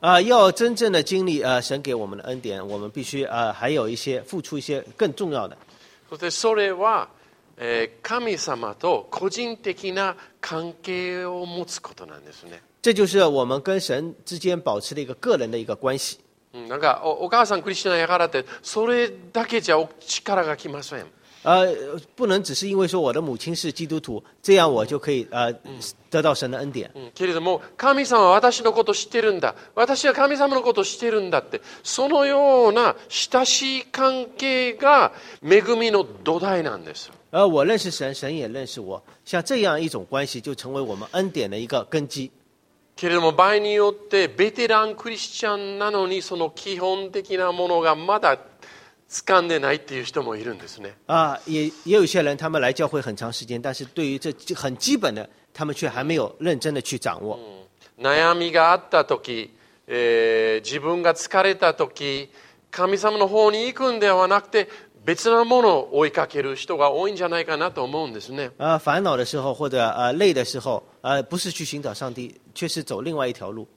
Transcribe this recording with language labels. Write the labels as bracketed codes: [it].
[zh] 要真正的经历神给我们的恩典，我们必须还有一些付出一些更重要的。 [ja] そしてそれは神様と個人的な関係を持つことなんですね。 [zh] 这就是我们跟神之间保持的一个个人的一个关系。 [ja] なんか お母さんクリスチャンやからってそれだけじゃ力が来ません。 [zh] 不能只是因为说我的母亲是基督徒，这样我就可以得到神的恩典。 [ja] けれども神様は私のこと知ってるんだ、私は神様のこと知ってるんだってそのような親しい関係が恵みの土台なんです。 [zh] 我认识神，神也认识我，像这样一种关系就成为我们恩典的一个根基。 [ja] けれども場合によってベテランクリスチャンなのにその基本的なものがまだ掴んでないっていう人もいるんですね。 [zh] 也有些人他们来教会很长时间但是对于这很基本的他们却还没有认真的去掌握。 [ja] 悩みがあった時、自分が疲れた時神様の方に行くんではなくて別のものを追いかける人が多いんじゃないかなと思うんですね。 [zh] 烦恼的时候或者累的时候不是去寻找上帝却是走另外一条路。